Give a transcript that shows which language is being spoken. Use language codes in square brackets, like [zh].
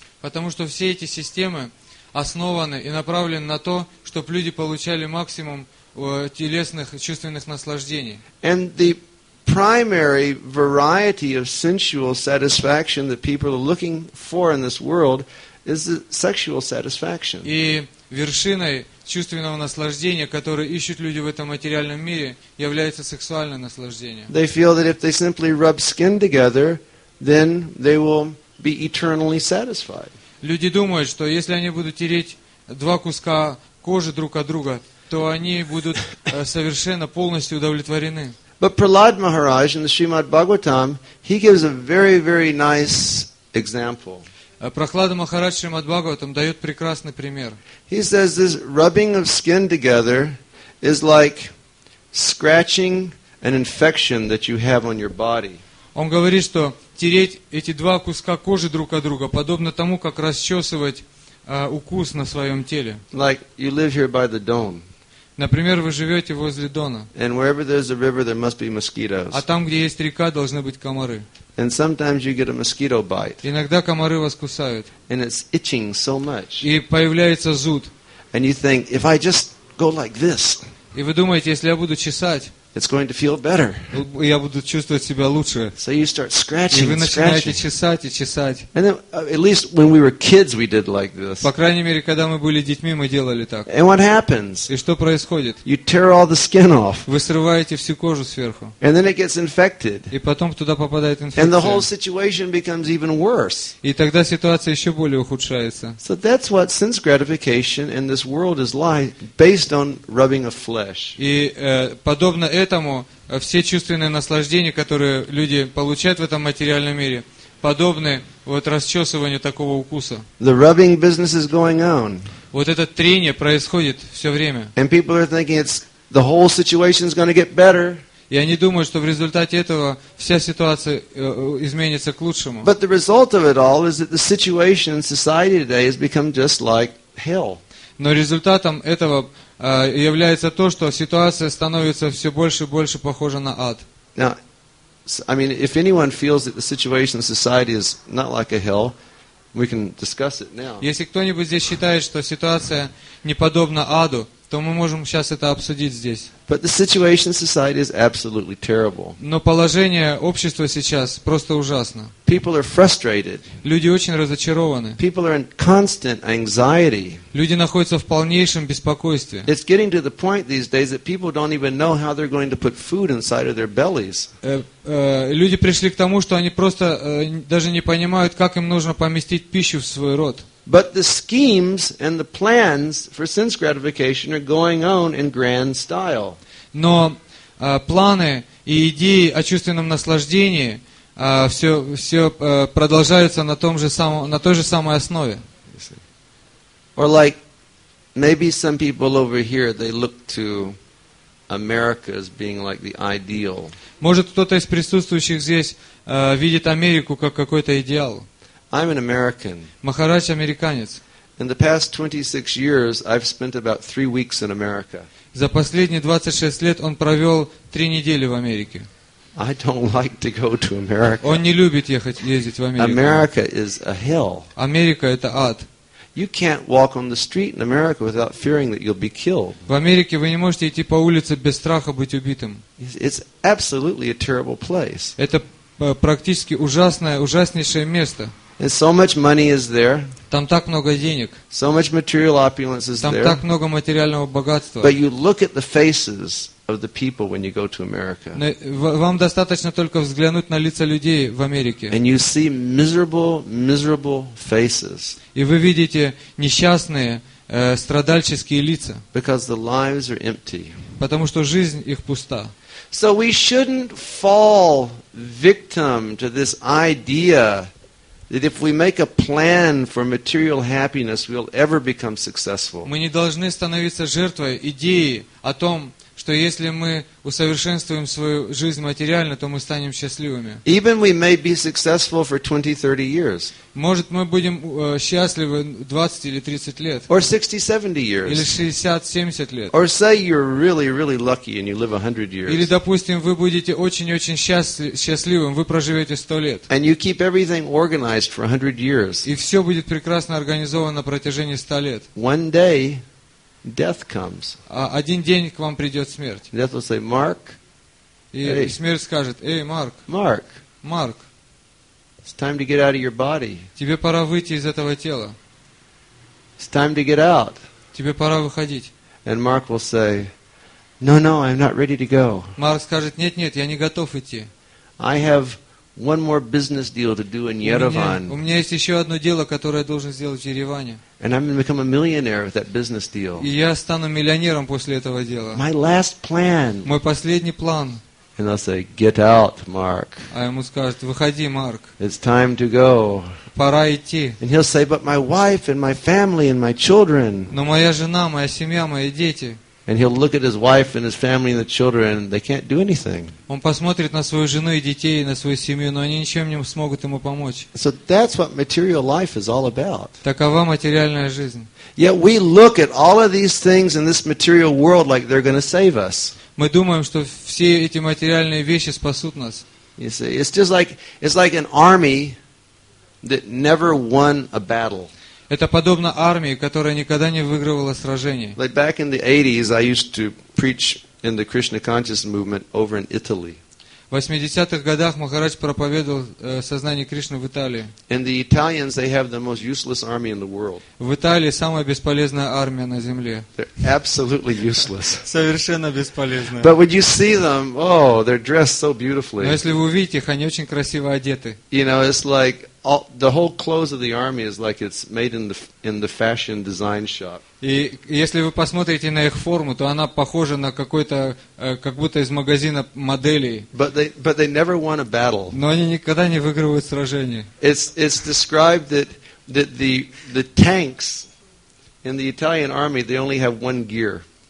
[ru] Потому что все эти системы основаны и направлены на то, чтобы люди получали максимум телесных и чувственных наслаждений. [en] And the primary variety of sensual satisfaction that people are looking for in this world is the sexual satisfaction. [ru] И вершиной чувственного наслаждения, которое ищут люди в этом материальном мире, является сексуальное наслаждение. [en] They feel that if they simply rub skin together, then they will be eternally satisfied. [ru] Люди думают, что если они будут тереть два куска кожи друг от друга, то они будут совершенно полностью удовлетворены. [en] But Prahlad Maharaj in the Srimad Bhagavatam, he gives a very, very nice example. [ru] Prahlad Maharaj in Srimad Bhagavatam дает прекрасный пример. [en] He says this rubbing of skin together is like scratching an infection that you have on your body. [ru] Он говорит, что тереть эти два куска кожи друг от друга подобно тому, как расчесывать укус на своем теле. [en] Like you live here by the Don. [ru] Например, вы живете возле Дона. [en] And wherever there's a river, there must be mosquitoes. [ru] А там, где есть река, должны быть комары. [en] And sometimes you get a mosquito bite. [ru] Иногда комары вас кусают. [en] And it's itching so much. [ru] И появляется зуд. [en] And you think, if I just go like this. [ru] И вы думаете, если я буду чесать. [en] It's going to feel better. [ru] Я буду чувствовать себя лучше. [en] So you start scratching. [ru] И вы начинаете чесать и чесать. [en] And then, at least when we were kids, we did like this. [ru] По крайней мере, когда мы были детьми, мы делали так. [en] And what happens? [ru] И что происходит? [en] You tear all the skin off. [ru] Вы срываете всю кожу сверху. [en] And then it gets infected. [ru] И потом туда попадает инфекция. [en] And the whole situation becomes even worse. [ru] И тогда ситуация еще более ухудшается. [en] So that's what sense gratification in this world is like, based on rubbing of flesh. [ru] И подобно этому все чувственные наслаждения, которые люди получают в этом материальном мире, подобны вот расчесыванию такого укуса. [en] The rubbing business is going on. [ru] Вот это трение происходит все время. [en] And people are thinking it's the whole situation is going to get better. [ru] И они думают, что в результате этого вся ситуация изменится к лучшему. [en] But the result of it all is that the situation in society today has become just like hell. [ru] Но результатом этого является то, что ситуация становится все больше и больше похожа на ад. [en] Now, I mean, if anyone feels that the situation in society is not like a hell, we can discuss it now. [ru] Если кто-нибудь здесь считает, что ситуация не подобна аду, то мы можем сейчас это обсудить здесь. [en] But the situation in society is absolutely terrible. [ru] Но положение общества сейчас просто ужасно. [en] People are frustrated. [ru] Люди очень разочарованы. [en] People are in constant anxiety. [ru] Люди находятся в полнейшем беспокойстве. [en] It's getting to the point these days that people don't even know how they're going to put food inside of their bellies. [ru] Люди пришли к тому, что они просто даже не понимают, как им нужно поместить пищу в свой рот. [en] But the schemes and the plans for sense gratification are going on in grand style. [ru] Но планы и идеи о чувственном наслаждении все продолжаются на том же самом, на той же самой основе. [en] Or like maybe some people over here they look to America as being like the ideal. [ru] Может кто-то из присутствующих здесь видит Америку как какой-то идеал? [en] I'm an American. [ru] Махарадж американец. [en] In the past 26 years, I've spent about 3 weeks in America. [ru] За последние 26 лет он провел 3 недели в Америке. [en] I don't like to go to America. [ru] Он не любит ездить в Америку. [en] America is a hell. [ru] Америка это ад. [en] You can't walk on the street in America without fearing that you'll be killed. [ru] В Америке вы не можете идти по улице без страха быть убитым. [en] It's absolutely a terrible place. [ru] Это практически ужасное, ужаснейшее место. [en] And so much money is there. [ru] Там так много денег. [en] So much material opulence is [ru] там [en] there. [ru] Там так много материального богатства. [en] But you look at the faces of the people when you go to America. [ru] Вам достаточно только взглянуть на лица людей в Америке. [en] And you see miserable, miserable faces. [ru] И вы видите несчастные, страдальческие лица. [en] Because the lives are empty. [ru] Потому что жизнь их пуста. [en] So we shouldn't fall victim to this idea that if we make a plan for material happiness, we'll ever become successful. [ru] Мы не должны становиться жертвой идеи о том, что если мы усовершенствуем свою жизнь материально, то мы станем счастливыми. [en] Even we may be successful for 20-30 years. [ru] Может, мы будем счастливы 20 или 30 лет. [en] Or 60-70 years. [ru] Или 60-70 лет. [en] Or say you're really, really lucky and you live 100 years. [ru] Или, допустим, вы будете очень-очень счастливым, вы проживете 100 лет. [en] And you keep everything organized for 100 years. [ru] И все будет прекрасно организовано на протяжении 100 лет. [en] One day, death comes. [ru] Один день к вам придет смерть. [en] Death will say, Mark. [ru] И смерть скажет: «Эй, Марк. [en] Mark. [ru] Mark. [en] It's time to get out of your body. [ru] Тебе пора выйти из этого тела. [en] It's time to get out. [ru] Тебе пора выходить. [en] And Mark will say, No, no, I'm not ready to go. [ru] Марк скажет: Нет, нет, я не готов идти. [en] I have one more business deal to do in Yerevan. [ru] У меня есть еще одно дело, которое я должен сделать в Ереване. [en] And I'm going to become a millionaire with that business deal. [ru] И я стану миллионером после этого дела. [en] My last plan. [ru] Мой последний план. [en] And I'll say, "Get out, Mark." [ru] А ему скажут: "Выходи, Марк." [en] It's time to go. [ru] Пора идти. [en] And he'll say, "But my wife and my family and my children." [ru] Но моя жена, моя семья, мои дети. [en] And he'll look at his wife and his family and the children, and they can't do anything. [ru] Он посмотрит на свою жену и детей, на свою семью, но они ничем не смогут ему помочь. [en] So that's what material life is all about. [ru] Такова материальная жизнь. [en] Yet we look at all of these things in this material world like they're going to save us. [ru] Мы думаем, что все эти материальные вещи спасут нас. [en] You see, it's like an army that never won a battle. [ru] Это подобно армии, которая никогда не выигрывала сражений. [en] Like back in the 80s, I used to preach in the Krishna Conscious Movement over in Italy. [ru] В 80-х годах Махарадж проповедовал сознание Кришны в Италии. [en] And the Italians, they have the most useless army in the world. [ru] В Италии самая бесполезная армия на земле. [en] They're absolutely useless. [ru] Совершенно бесполезная. [en] But when you see them, oh, they're dressed so beautifully. [ru] Но если вы увидите их, они очень красиво одеты. [en] You know, it's like all, the whole clothes of the army is like it's made in the fashion design shop. [ru] И если вы посмотрите на их форму, то она похожа на какой-то, как будто из магазина моделей. [en] But they never won a battle. [ru] Но они никогда не выигрывают сражение. [en] It's described that the tanks in the Italian army, they only have one gear.